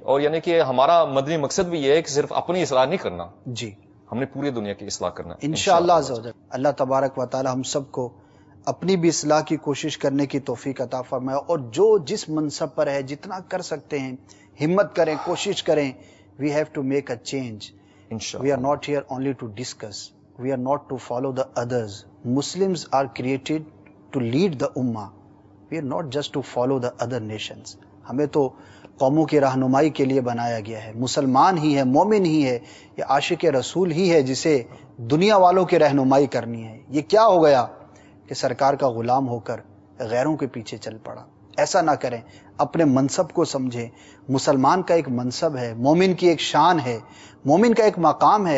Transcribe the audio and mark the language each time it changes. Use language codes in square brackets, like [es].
[ur] اور یعنی کہ ہمارا مدنی مقصد بھی یہ ہے کہ صرف اپنی اصلاح نہیں کرنا, جی ہم نے پوری دنیا کی اصلاح کرنا ہے انشاءاللہ عزوجل. اللہ تبارک و تعالی ہم سب کو اپنی بھی اصلاح کی کوشش کرنے کی توفیق عطا فرمائے, اور جو جس منصب پر ہے جتنا کر سکتے ہیں ہمت کریں, کوشش کریں. [en] We have to make a change. We are not here only to discuss. We are not to follow the others. Muslims are created to lead the ummah. We are not just to follow the other nations. [ur] ہمیں تو قوموں کی رہنمائی کے لیے بنایا گیا ہے. مسلمان ہی ہے, مومن ہی ہے, یا عاشق رسول ہی ہے جسے دنیا والوں کی رہنمائی کرنی ہے. یہ کیا ہو گیا کہ سرکار کا غلام ہو کر غیروں کے پیچھے چل پڑا. ایسا نہ کریں, اپنے منصب کو سمجھیں. مسلمان کا ایک منصب ہے, مومن کی ایک شان ہے, مومن کا ایک مقام ہے.